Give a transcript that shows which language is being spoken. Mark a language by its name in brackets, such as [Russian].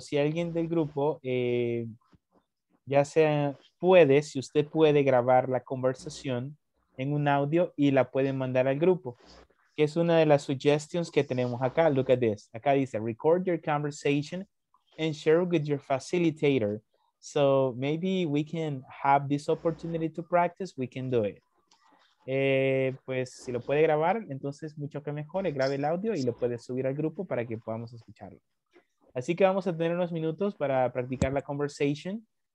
[Spanish] Si alguien del grupo ya sea puede, si usted puede grabar la conversación en un audio y la puede mandar al grupo, que es una de las suggestions que tenemos acá. [English] Look at this. [Spanish] Acá dice, [English] record your conversation and share it with your facilitator. So maybe we can have this opportunity to practice. We can do it. [Spanish] Pues si lo puede grabar, entonces mucho que mejor, grabe el audio y lo puede subir al grupo para que podamos escucharlo. Así que vamos a tener unos minutos para practicar la conversation.